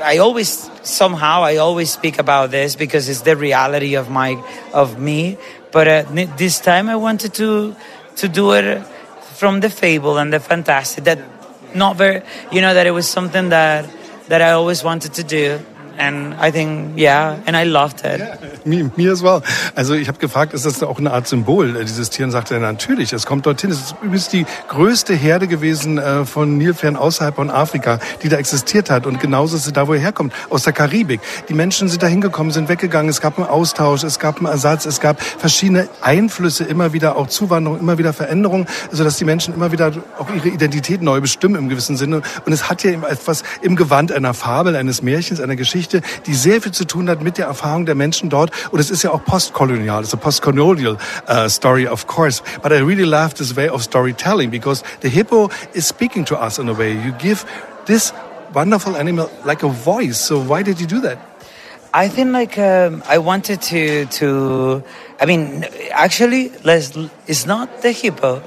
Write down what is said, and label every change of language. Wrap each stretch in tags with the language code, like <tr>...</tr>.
<en>I always speak about this because it's the reality of me. But this time, I wanted to do it from the fable and the fantastic. That not very, you know, that it was something that I always wanted to do. And I think, yeah, and I loved it. Yeah, me as well.</en> <de>Also ich habe gefragt, ist das auch eine Art Symbol, dieses Tier? Und sagte er, natürlich, es kommt dorthin. Es ist übrigens die größte Herde gewesen von Nilpferden außerhalb von Afrika, die da existiert hat. Und genauso ist sie da, wo er herkommt, aus der Karibik. Die Menschen sind da hingekommen, sind weggegangen. Es gab einen Austausch, es gab einen Ersatz, es gab verschiedene Einflüsse, immer wieder auch Zuwanderung, immer wieder Veränderung, sodass die Menschen immer wieder auch ihre Identität neu bestimmen im gewissen Sinne. Und es hat ja eben etwas im Gewand einer Fabel, eines Märchens, einer Geschichte, die sehr viel zu tun hat mit der Erfahrung der Menschen dort. Und es ist ja auch postkolonial.</de> <en>It's a postcolonial story, of course. But I really love this way of storytelling because the hippo is speaking to us in a way. You give this wonderful animal like a voice. So why did you do that? I think like I wanted to... I mean, actually, it's not the hippo.</en>